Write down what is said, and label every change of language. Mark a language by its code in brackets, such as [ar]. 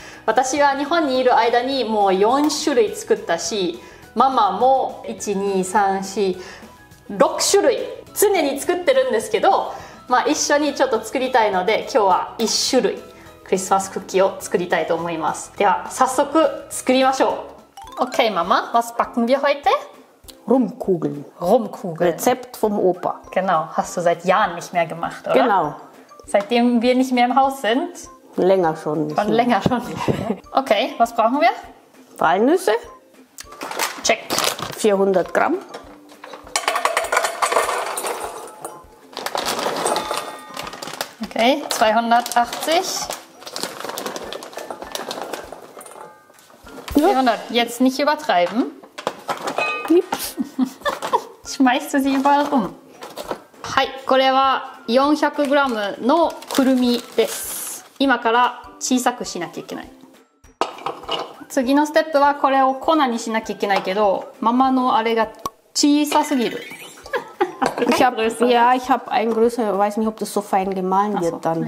[ja] 私は日本にいる間にもう4種類作ったし、ママも 1,2,3,4,6 種類常に作ってるんですけど、まあ一緒にちょっと作りたいので今日は1種類クリスマスクッキーを作りたいと思います。では早速作りましょう。 [de] OK ママ、was backen wir heute? Rumkugeln. Rumkugeln. Rezept vom Opa. Genau, hast du seit Jahren nicht mehr gemacht, oder? Genau. Seitdem wir nicht mehr im Haus sind? Länger schon nicht. Von länger schon nicht mehr. Okay, was brauchen wir? Walnüsse. Check. 400 Gramm. Okay, 280. 400. Jetzt nicht übertreiben. Schmeißt du sie überall rum? [ja] Hi, これは 400g のくるみです。今から小さくしなきゃいけない。次のステップはこれを粉にしなきゃいけないけど、ママのあれが小さすぎる。 [de] Ich habe ein größer, weiß nicht, ob das so fein gemahlen wird, dann